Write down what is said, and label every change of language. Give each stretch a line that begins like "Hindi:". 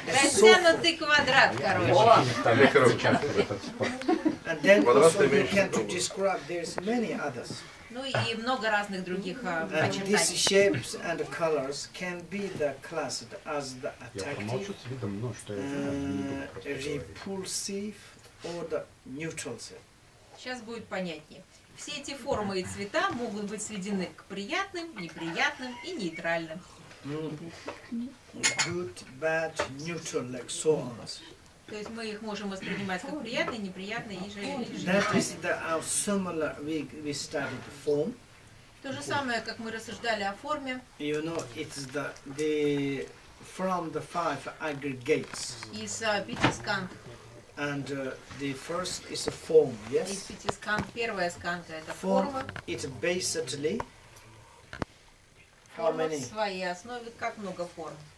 Russian: Растянутый квадрат, короче.
English: And then also we can to describe there's many others.
Russian: Ну и много разных других очертаний.
English: These shapes and colors can be the classed as the attractive, repulsive or the neutral.
Russian: Сейчас будет понятнее. Все эти формы и цвета могут быть сведены к приятным, неприятным и нейтральным.
English: Good, bad, neutral, like so on.
Russian: То есть мы их можем воспринимать как приятные, неприятные и желательные. То же самое, как мы рассуждали о форме.
English: You know, it's the from the five aggregates.
Russian: Из пяти сканг.
English: And the first is a form, yes?
Russian: Из пяти сканг, первая сканга – это
English: form,
Russian: форма.
English: It's basically, how
Russian: форма
English: many?
Russian: В своей основе, как много форм?